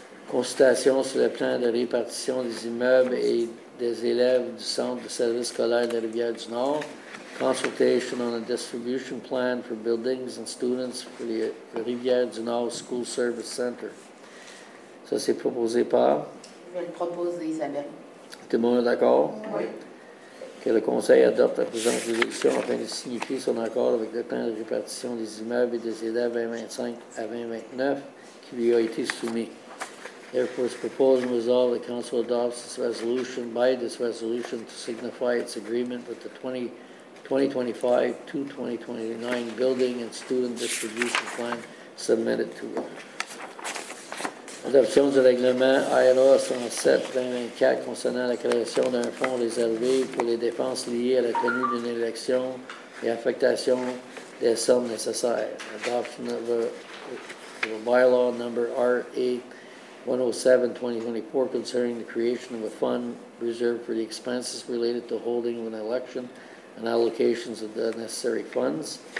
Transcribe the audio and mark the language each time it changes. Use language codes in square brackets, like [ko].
[fr] Consultation sur le plan de répartition des immeubles et des élèves du Centre de services scolaires de Rivière-du-Nord. [en] Consultation on a distribution plan for buildings and students for the Rivière-du-Nord School Service Center. [fr] Ça, c'est proposé par? Je le propose d'Isabelle. Tout le monde est d'accord? Oui. Que le conseil adopte la présente résolution afin de signifier son accord avec le plan de répartition des immeubles et des élèves 2025 à 2029 qui lui a été soumis. [en] Therefore, it's proposed and resolved the council adopts this resolution by this resolution to signify its agreement with the 2025 to 2029 building and student distribution plan submitted to it. [fr] Adoption du règlement ILO 107-2024 concernant la création d'un fonds réservé pour les dépenses liées à la tenue d'une élection et affectation des sommes nécessaires. [en] Adoption of a bylaw number RA 107-2024 concerning the creation of a fund reserved for the expenses related to holding of an election and allocations of the necessary funds.